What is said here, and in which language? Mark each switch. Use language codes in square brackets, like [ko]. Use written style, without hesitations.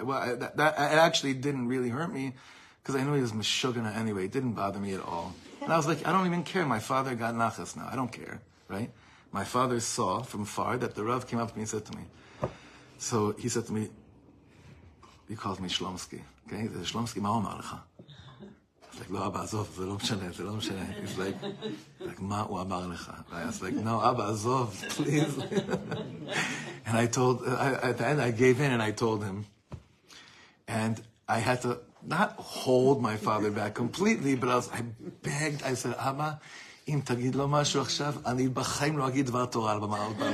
[en] Well, it actually didn't really hurt me, because I knew he was Meshuggah anyway. It didn't bother me at all. And I was like, I don't even care. My father got nachas now. I don't care, right? My father saw from far that the Rav came up to me and said to me. So he said to me, he calls me Shlomsky. Okay? He says, Shlomsky, ma'omarcha. It's like, no, Abba, Azov, [he] זה לא משנה, זה לא משנה. [en] It's like, [he] מה הוא אמר לך? [en] It's like, no, Abba, Azov, please. And I told, at the end, I gave in and I told him. And I had to not hold my father back completely, but I begged, I said, Abba, [he] אם תגיד לו משהו עכשיו, אני בחיים לא אגיד דבר תורה על במה עוד פעם.